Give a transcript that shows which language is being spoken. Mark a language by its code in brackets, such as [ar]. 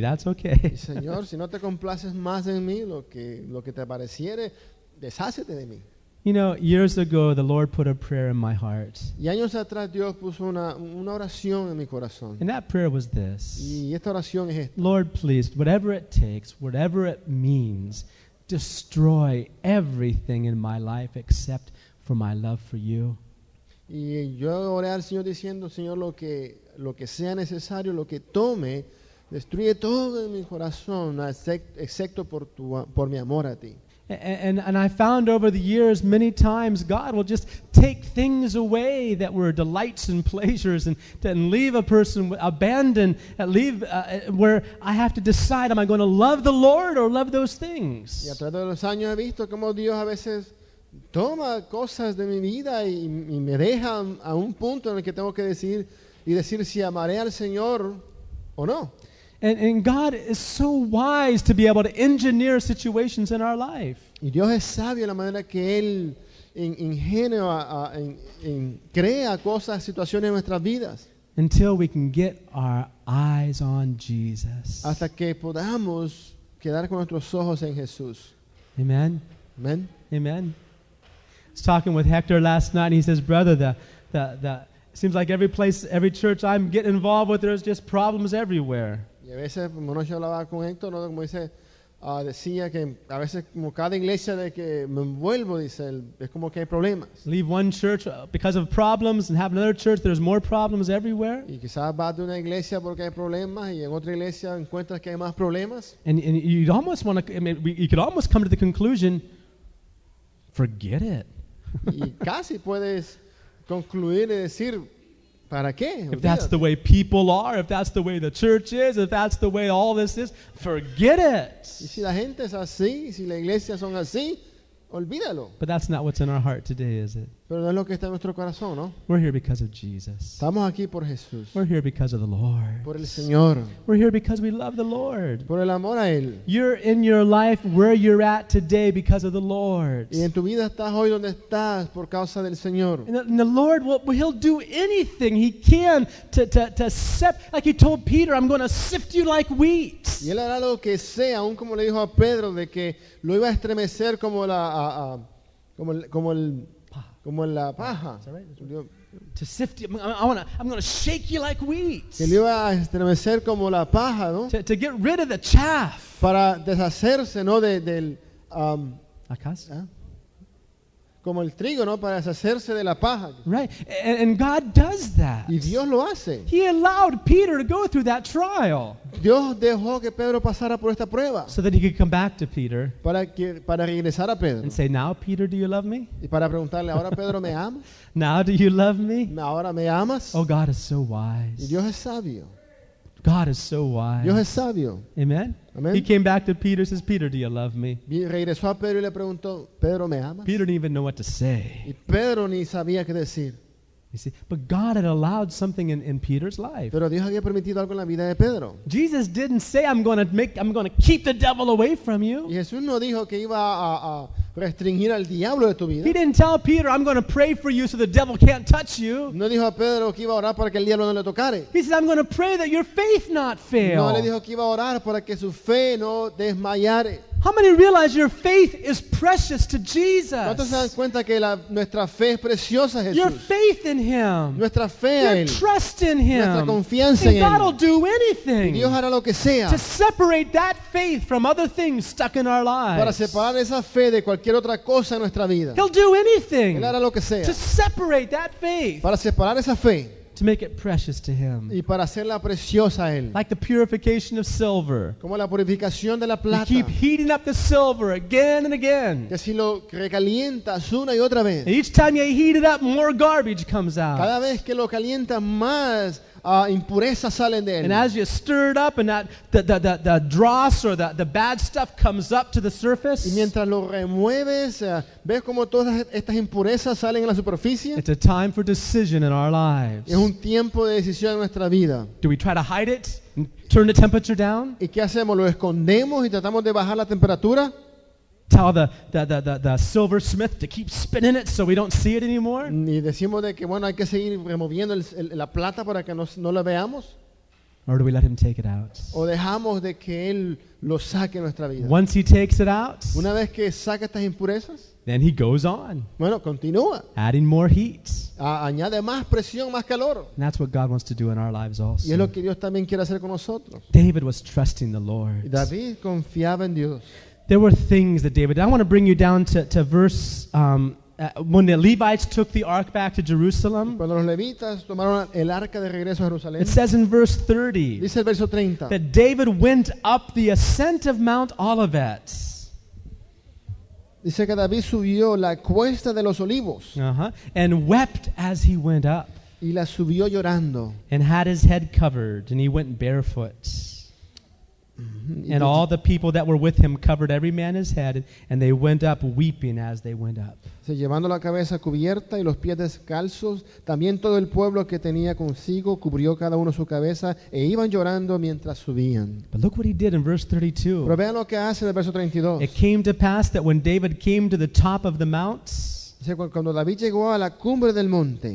[en] That's okay. [es] Señor, si no te complaces más en mí, lo que te pareciere, deshácete de mí. [en] You know, years ago, the Lord put a prayer in my heart. [es] Y años atrás, Dios puso una oración en mi corazón. [en] And that prayer was this. [es] Y esta oración es esta. [en] Lord, please, whatever it takes, whatever it means, destroy everything in my life except for my love for you. [es] Y yo oré al Señor diciendo, Señor, lo que sea necesario, lo que tome, destruye todo en mi corazón excepto por mi amor a ti. [en] And I found over the years many times God will just take things away that were delights and pleasures and leave a person abandoned, where I have to decide, am I going to love the Lord or love those things? [es] Y a través de los años he visto cómo Dios a veces toma cosas de mi vida y me deja a un punto en el que tengo que decir si amaré al Señor o no. [en] And God is so wise to be able to engineer situations in our life. [es] Y Dios es sabio en la manera que Él ingenia, crea cosas, situaciones en nuestras vidas. [en] Until we can get our eyes on Jesus. [es] Hasta que podamos quedar con nuestros ojos en Jesús. [en] Amen. [es] Amen. [en] Amen. I was talking with Hector last night, and he says, brother, the Seems like every place, every church I'm getting involved with, there's just problems everywhere. [es] Y a veces, como yo hablaba con Héctor, ¿no? Como dice, decía que a veces como cada iglesia de que me envuelvo, dice, es como que hay problemas. [en] Leave one church because of problems and have another church, there's more problems everywhere. [es] Y quizás vas de una iglesia porque hay problemas y en otra iglesia encuentras que hay más problemas. [en] And you'd almost want to, I mean, you could almost come to the conclusion, forget it. [es] Y casi puedes concluir y decir, ¿para qué? [en] If that's the way people are, if that's the way the church is, if that's the way all this is, forget it. [es] Y si la gente es así, si la iglesia son así, olvídalo. [en] But that's not what's in our heart today, is it? [es] Pero no es lo que está en nuestro corazón, ¿no? [en] We're here because of Jesus. [es] Estamos aquí por Jesús. [en] We're here because of the Lord. [es] Por el Señor. [en] We're here because we love the Lord. [es] Por el amor a Él. [en] You're in your life where you're at today because of the Lord. [es] Y en tu vida estás hoy donde estás por causa del Señor. [en] And the Lord, He'll do anything He can to sift, like He told Peter, I'm going to sift you like wheat. [es] Y Él hará lo que sea, aun como le dijo a Pedro, de que lo iba a estremecer como la... Como la paja. [en] To sift you, I'm going to shake you like wheat. [es] Que le iba a estremecer como la paja, ¿no? [en] To get rid of the chaff. [es] Para deshacerse, ¿no? Del ¿acaso? Como el trigo, ¿no? Para deshacerse de la paja. [en] Right. And God does that. [es] Y Dios lo hace. [en] He allowed Peter to go through that trial. [es] Dios dejó que Pedro pasara por esta prueba. [en] So that he could come back to Peter. [es] Para regresar a Pedro. [en] And say, now, Peter, do you love me? [es] Y para preguntarle, ¿ahora Pedro me amas? [en] Now, do you love me? [es] ¿Ahora me amas? [en] Oh, God is so wise. [es] Y Dios es sabio. [en] God is so wise. [es] Dios es sabio. [en] Amen. [es] Amen. [en] He came back to Peter, says, Peter, do you love me? [es] Regresó a Pedro y le preguntó, ¿Pedro me amas? [en] Peter didn't even know what to say. [es] Y Pedro ni sabía qué decir. [en] You see, but God had allowed something in Peter's life. [es] Pero Dios había permitido algo en la vida de Pedro. [en] Jesus didn't say, I'm going to keep the devil away from you. [es] Y Jesús no dijo que iba a restringir al diablo de tu vida. [en] He didn't tell Peter, I'm going to pray for you so the devil can't touch you. [es] No dijo a Pedro que iba a orar para que el diablo no le tocare. [en] He said, I'm going to pray that your faith not fail. [es] No le dijo que iba a orar para que su fe no desmayare. [en] How many realize your faith is precious to Jesus? [es] ¿Cuántos se dan cuenta que nuestra fe es preciosa a Jesús? [en] Your faith in Him. [es] Nuestra fe a Él. [en] Your trust in Him. [es] Nuestra confianza en Él. [en] And God will do anything. [es] Y Dios hará lo que sea. [en] To separate that faith from other things stuck in our lives. [es] Para separar esa fe de cualquier otra cosa en nuestra vida. [en] He'll do anything. [es] Él hará lo que sea. [en] To separate that faith. [es] Para separar esa fe. [en] To make it precious to Him. [es] Y para hacerla preciosa a Él. [en] Like the purification of silver. [es] Como la purificación de la plata. [en] You keep heating up the silver again and again. [es] Que si lo recalientas una y otra vez. [en] And each time you heat it up, more garbage comes out. [es] Cada vez que lo calientas más, impurezas salen de él. [en] And as you stir it up and that the dross or the bad stuff comes up to the surface. [es] Y mientras lo remueves, ves como todas estas impurezas salen a la superficie. [en] It's a time for decision in our lives. [es] Es un tiempo de decisión en nuestra vida. [en] Do we try to hide it and turn the temperature down? [es] ¿Y qué hacemos? ¿Lo escondemos y tratamos de bajar la temperatura? [en] Tell the silversmith to keep spinning it so we don't see it anymore. [es] Ni decimos de que bueno hay que seguir removiendo la plata para que no la veamos. [en] Or do we let him take it out? [es] O dejamos de que él lo saque en nuestra vida. [en] Once he takes it out, [es] una vez que saca estas impurezas, [en] then he goes on. [es] Bueno, continúa. [en] Adding more heat. [es] Añade más presión, más calor. [en] And that's what God wants to do in our lives also. [es] Y es lo que Dios también quiere hacer con nosotros. [en] David was trusting the Lord. [es] David confiaba en Dios. [en] There were things that David, I want to bring you down to verse, when the Levites took the ark back to Jerusalem. [es] Cuando los levitas tomaron el arca de regreso a Jerusalén. [en] It says in verse 30, [es] dice el verso 30, [en] that David went up the ascent of Mount Olivet. [es] Dice que David subió la cuesta de los olivos. [en] Uh-huh. And wept as he went up. [es] Y la subió llorando. [en] And had his head covered, and he went barefoot. And all the people that were with him covered every man his head, and they went up weeping as they went up. [es] Se llevando la cabeza cubierta y los pies descalzos, también todo el pueblo que tenía consigo cubrió cada uno su cabeza e iban llorando mientras subían. [en] But look what he did in verse 32. [es] Pero vean lo que hace en el verso 32. [en] It came to pass that when David came to the top of the mount, [es] cuando David llegó a la cumbre del monte,